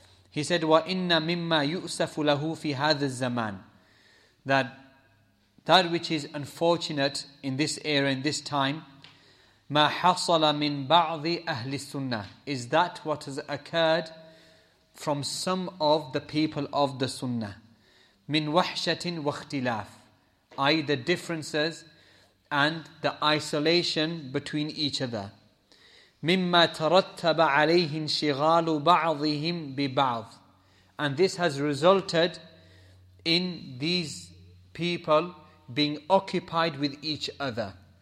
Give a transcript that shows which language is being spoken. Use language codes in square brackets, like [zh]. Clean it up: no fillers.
[en] He said, [ar] "Wa inna mimma yu'safu lahu fi hadha zaman," [en] that which is unfortunate in this era, in this time, [ar] ما حصل من بعض أهل السنة, [en] is that what has occurred from some of the people of the Sunnah. [ar] من وحشة واختلاف, [en] i.e. the differences and the isolation between each other. [ar] مما ترتب عليه انشغال بعضهم ببعض, [en] and this has resulted in these people being occupied with each other.